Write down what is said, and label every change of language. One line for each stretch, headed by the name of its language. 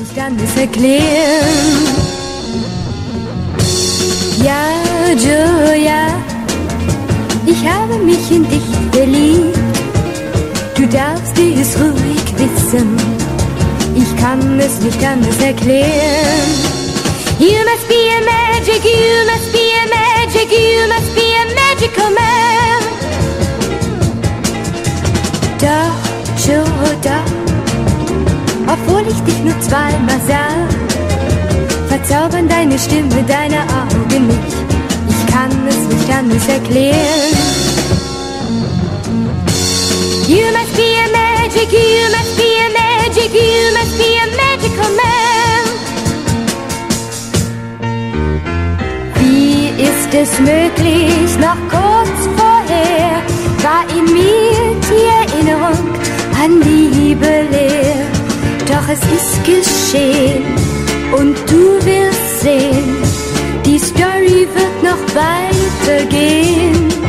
German: Ja, Julia, ich habe mich in dich verliebt. Du darfst es ruhig wissen. Ich kann es nicht anders erklären.
English: You must be a magic, you must be a magic, you must be a magical man.
German: Doch, Joe, doch, obwohl ich dich nur zweimal sah, verzaubern deine Stimme, deine Augen mich. Ich kann es nicht anders erklären.
English: You must be a magic, you must be a magic, you must be a magical man.
German: Wie ist es möglich, noch kurz vorher war in mir die Erinnerung an Liebe leer. Doch es ist geschehen und du wirst sehen, die Story wird noch weitergehen.